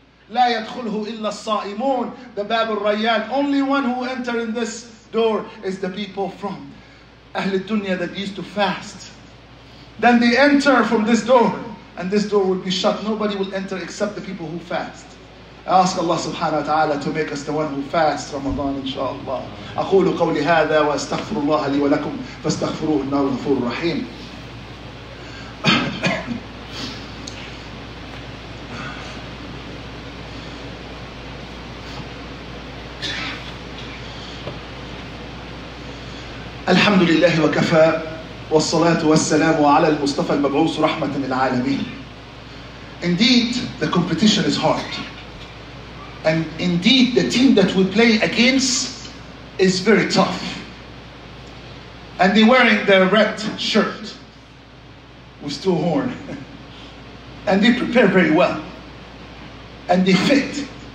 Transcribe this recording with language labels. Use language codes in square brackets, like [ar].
[ar] La yadkhulhu illa as-sa'imun. [en] The Babur Rayyan. Only one who enter in this door is the people from Ahl al-Dunya that used to fast. Then they enter from this door, and this door will be shut. Nobody will enter except the people who fast. I ask Allah subhanahu wa ta'ala to make us the one who fast Ramadan, inshaAllah. [ar] أقول قولي هذا واستغفر الله لي ولكم فاستغفروه إنه الغفور الرحيم. الحمد لله وكفى والصلاة والسلام على المصطفى المبعوث رحمة للعالمين. [en] Indeed, the competition is hard. And indeed, the team that we play against is very tough. And they're wearing their red shirt with two horns. And they prepare very well. And they fit.